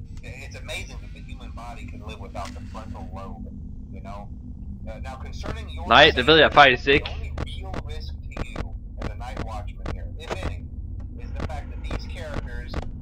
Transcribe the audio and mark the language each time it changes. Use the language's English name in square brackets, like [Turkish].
[English] It's amazing that the human body can live without the frontal lobe, you know? Now concerning your [Danish] nej, det ved jeg faktisk ikke. [English] The only real risk to you as a night watchman here, if any, is the fact that these characters...